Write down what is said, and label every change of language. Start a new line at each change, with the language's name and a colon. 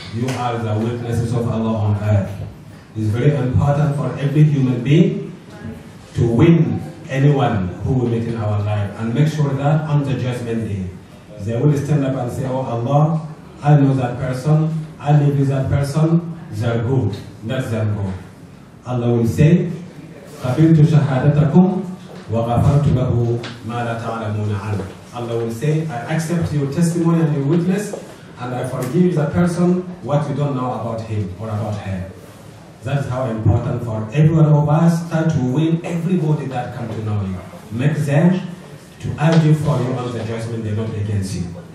English: You are the witnesses of Allah on earth. It's very important for every human being to win anyone who we meet in our life and make sure that on the judgment day, they will stand up and say, oh Allah, I know that person, I live with that person, they're good, that's their goal. Allah will say,
Arabic: قَبِلْتُ شَهَادَتَكُمْ وَغَفَرْتُ لَهُ مَا لَتَعْلَمُونَ عَلَى.
English: Allah will say, I accept your testimony and your witness, and I forgive the person what you don't know about him or about her. That is how important for everyone of us to win everybody that comes to know you. Make them to argue for you on the judgment, they not against you.